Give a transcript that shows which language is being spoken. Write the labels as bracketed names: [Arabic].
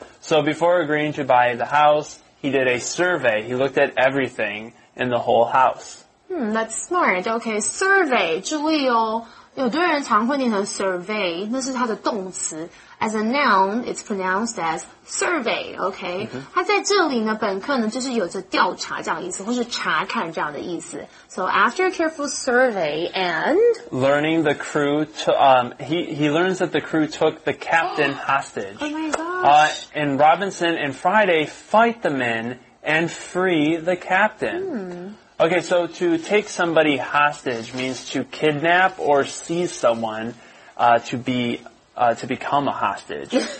[English] So before agreeing to buy the house, he did a survey. He looked at everything in the whole house. That's smart. Okay, survey, [Chinese] 注意哦。有的人常会念成 survey, 那是它的动词。 [English] As a noun, it's pronounced as survey, okay?、 Mm-hmm. [Chinese] 它在这里呢本课呢就是有着调查这样的意思或是查看这样的意思。 [English] So after a careful survey and... Learning the crew to, he learns that the crew took the captain hostage. Oh my gosh!、 And Robinson and Friday fight the men and free the captain.、Okay, so to take somebody hostage means to kidnap or seize someone, to become a hostage.